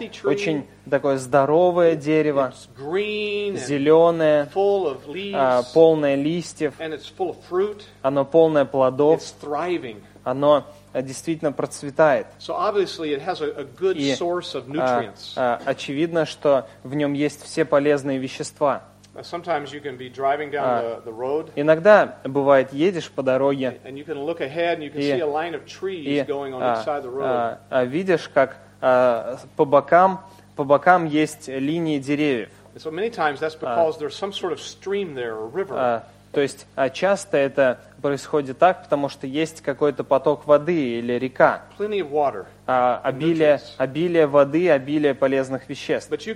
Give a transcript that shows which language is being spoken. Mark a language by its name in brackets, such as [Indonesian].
[Russian] Очень такое здоровое дерево, зеленое, полное листьев, оно полное плодов, оно действительно процветает. Очевидно, что в нем есть все полезные вещества. [English] Sometimes you can be driving down the road. [Russian] Иногда бывает едешь по дороге. [English] And you can look ahead and you can see a line of trees going on each side of the road. [Russian] Видишь, как по бокам есть линии деревьев. [English] So many times that's because there's some sort of stream there or river. [Russian] То есть часто это происходит так, потому что есть какой-то поток воды или река. [English] Plenty of water. [Russian] Обилие воды, обилие полезных веществ.